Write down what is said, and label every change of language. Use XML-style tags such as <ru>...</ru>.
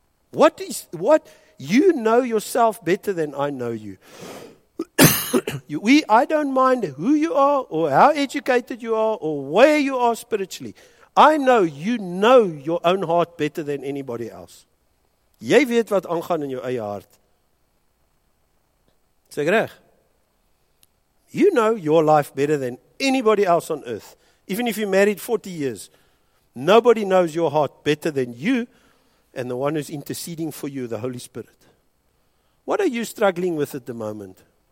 <en>What you know yourself better than I know you. I don't mind who you are or how educated you are or where you are spiritually. I know you know your own heart better than anybody else.</en> <af>Jy weet wat aangaan in jou eie hart. Seg reg.</af> <en>You know your life better than anybody else on earth. Even if you married 40 years, nobody knows your heart better than you. And the one who's interceding for you, the Holy Spirit. What are you struggling with at the moment?</en>